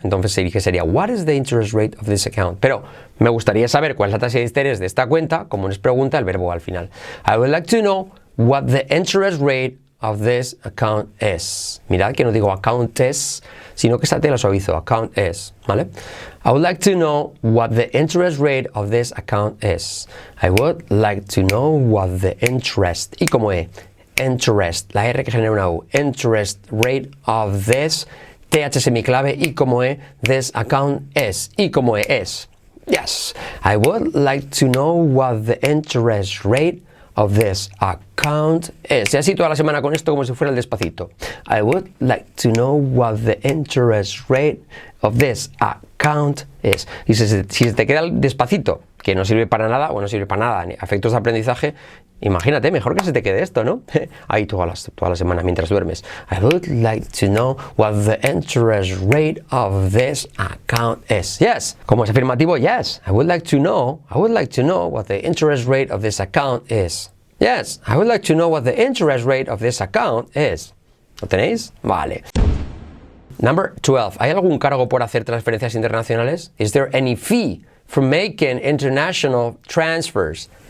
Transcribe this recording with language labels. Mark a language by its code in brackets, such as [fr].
[es] Entonces se dice, sería, [en] what is the interest rate of this account? [es] Pero me gustaría saber cuál es la tasa de interés de esta cuenta, como les pregunta el verbo al final. [en] I would like to know what the interest rate of this account is. [es] Mirad que no digo [en] account is, [es] sino que esta te la suavizo, account is, ¿vale? [en] I would like to know what the interest rate of this account is. I would like to know what the interest, [es] y como es, interest, la R que genera una U, [en] interest rate of this, [es] TH semiclave, y como es, [en] this account is, [es] y como es. [en] Yes, I would like to know what the interest rate of this account is. [es] Y así toda la semana con esto como si fuera el despacito. [en] I would like to know what the interest rate of this account is. [es] Y si se te queda el despacito, que no sirve para nada, o no sirve para nada, ni efectos de aprendizaje, imagínate, mejor que se te quede esto, ¿no? Ahí toda la semana mientras duermes. [en] I would like to know what the interest rate of this account is. Yes. [es] Como es afirmativo, [en] yes. I would like to know what the interest rate of this account is. Yes. I would like to know what the interest rate of this account is. [es] ¿Lo tenéis? Vale. [en] Number 12. [es] ¿Hay algún cargo por hacer transferencias internacionales? [en] Is there any fee for making international transfers?